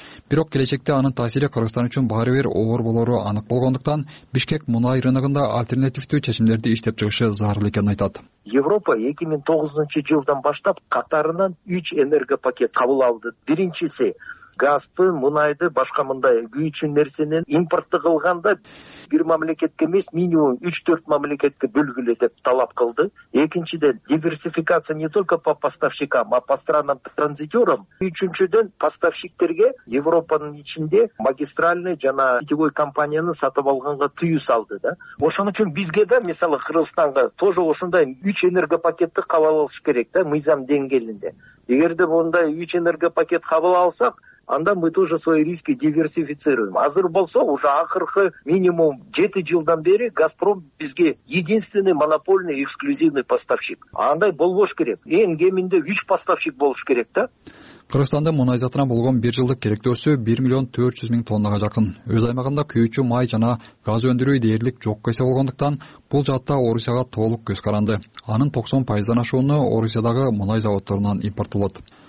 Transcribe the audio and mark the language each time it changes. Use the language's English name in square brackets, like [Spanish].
[Kyrgyz] Бирок келечекте анын таасири Кыргызстан үчүн баары бир оор болору анык болгондуктан Бишкек мунай рыногунда альтернативдүү чечимдерди иштеп чыгышы зарыл экенин айтат. Европа 2009 жылдан баштап катарынан 3 энергопакет кабыл алды. Биринчиси газды, мунайды, башка мындай күйүүчү нерсенин импортту кылганда бир мамлекетке эмес минимум 3-4 мамлекетке бөлгүлө деп талап кылды. [Russian] Экинчиден диверсификация не только по поставщикам, а по странам транзитерам. [Kyrgyz] Үчүнчүдөн поставщиктерге Европанын ичинде магистральный жана сетевой компанияны сатып алганга тыюу салды да. Ошон үчүн бизге да мисалы Кыргызстанга тоже ушундай 3 энергопакетти кабыл алыш керек да мыйзам деңгээлинде. Эгерде мындай 3 энергопакет кабыл алсак, анда [Russian] мы тоже свои риски диверсифицируем. [Kyrgyz] Азыр болсо уже акыркы минимум 7 жылдан бери Газпром бизге [Russian] единственный монопольный эксклюзивный поставщик. [Kyrgyz] Андай болбош керек. Эң кеминде 3 поставщик болуш керек да. Кыргызстанда мунай затына болгон бир жылдык керектөөсү 1,400,000 тоннага жакын. Өз аймагында күйүүчү май жана газ өндүрүү дээрлик жокко эсе болгондуктан бул жаатта Орусияга толук көз каранды. Анын 90% ашууну Орусиядагы мунай заводдорунан импортолот.